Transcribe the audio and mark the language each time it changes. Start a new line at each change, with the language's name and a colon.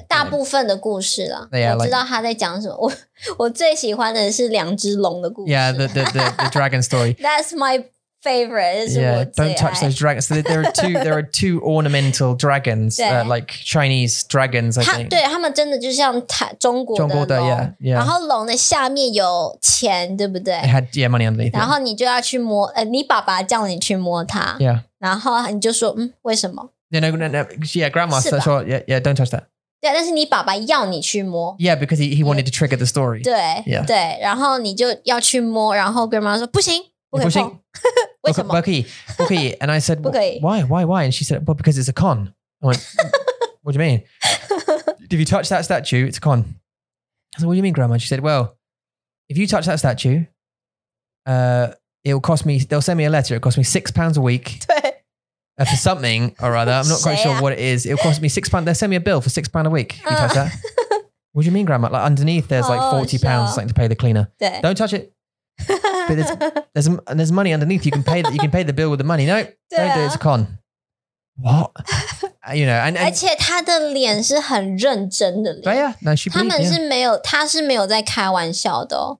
Chinese: 大部分的故事啦。Yeah, like, 我知道她在讲什么。我最喜欢的是两只龙的故事。
English: Yeah, the dragon story. That's my favorite. Yeah, don't touch those dragons. So there are two ornamental dragons, like Chinese dragons, I think.
Chinese: 对,他们真的就像中国的龙。中国的,
English: yeah, yeah.
Chinese: 然后龙的下面有钱, 对不对?
English: It had, yeah, money underneath.
Chinese: 然后你就要去摸, 你爸爸叫你去摸它。
English: Yeah.
Chinese: 然后你就说, 为什么?
English: No. Yeah, grandma said, yeah, don't touch that.
Chinese: 对,但是你爸爸要你去摸。
English: Yeah, because he wanted to trigger the story.
Chinese: 对,然后你就要去摸, 然后grandma说,不行。不可以,
English: and I said, why? And she said, well, because it's a con. I went, what do you mean? If you touch that statue, it's a con. I said, what do you mean, grandma? She said, well, if you touch that statue, it'll cost me, they'll send me a letter. It'll cost me £6 a week for something or other. I'm not quite sure what it is. It'll cost me £6. They'll send me a bill for £6 a week if you touch that. What do you mean, grandma? Like underneath, there's like £40 something to pay the cleaner. Don't touch it. But there's money underneath. You can pay the bill with the money. No, don't do it. It's a con. What? You know, and
Chinese: 而且她的脸是很认真的脸.
English: Yeah, no, she.
Chinese: 他们是没有，她是没有在开玩笑的.